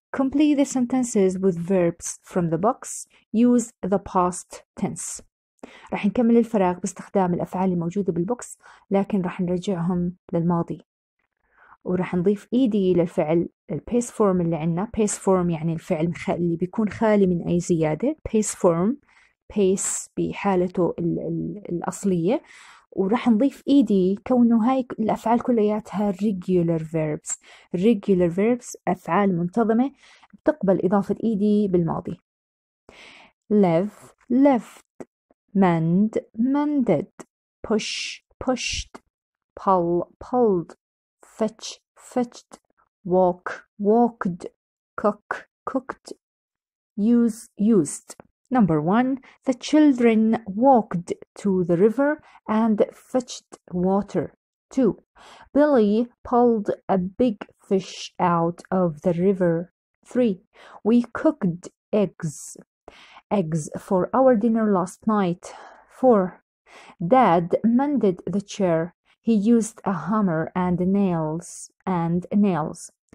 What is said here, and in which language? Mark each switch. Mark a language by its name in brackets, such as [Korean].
[English] Complete the sentences with verbs from the box. Use the past tense. [Arabic] رح نكمل الفراغ باستخدام الأفعال الموجودة بالبوكس لكن رح نرجعهم للماضي ورح نضيف إيدي للفعل الباس فورم اللي عنا باس فورم يعني الفعل اللي بيكون خالي من أي زيادة باس فورم باس بحالته الأصلية ورح نضيف إيدي كونه هاي الأفعال كلياتها [English] regular verbs regular verbs [Arabic] أفعال منتظمة بتقبل إضافة إيدي بالماضي [English] live left mend mended push pushed pull pulled fetch fetched walk walked cook cooked use used Number one, the children walked to the river and fetched water. Two, Billy pulled a big fish out of the river. Three, we cooked eggs for our dinner last night. Four, Dad mended the chair. He used a hammer and nails.